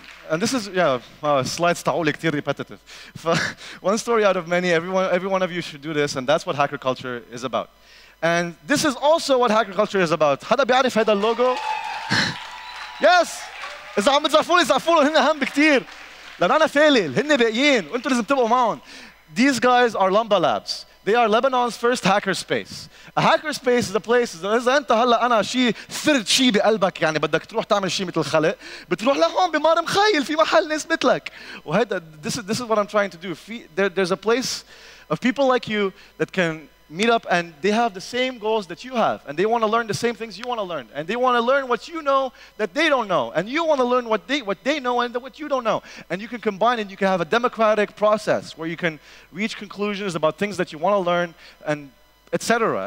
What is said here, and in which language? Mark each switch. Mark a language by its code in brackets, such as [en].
[en] And this is, yeah, slides [ar] تعولي كتير [en] repetitive. One story out of many, every one of you should do this, and that's what hacker culture is about. And this is also what hacker culture is about. [ar] حدا بيعرف هذا اللوجو؟ Yes! إذا عم بتزعفوني زعفوني هن أهم بكتير. لأن أنا فالل هن باقيين وأنتوا لازم تبقوا معهم. [en] These guys are Lamba Labs. They are Lebanon's first hackerspace. A hackerspace is a place, [ar] إذا أنت هلا أنا شيء ثرت شيء بقلبك يعني بدك تروح تعمل شيء مثل الخلق بتروح لهون بمار مخيل في محل ناس مثلك. وهذا [en] this is what I'm trying to do. There's a place of people like you that can meet up and they have the same goals that you have and they want to learn the same things you want to learn and they want to learn what you know that they don't know and you want to learn what they know and what you don't know and you can combine and you can have a democratic process where you can reach conclusions about things that you want to learn and etc.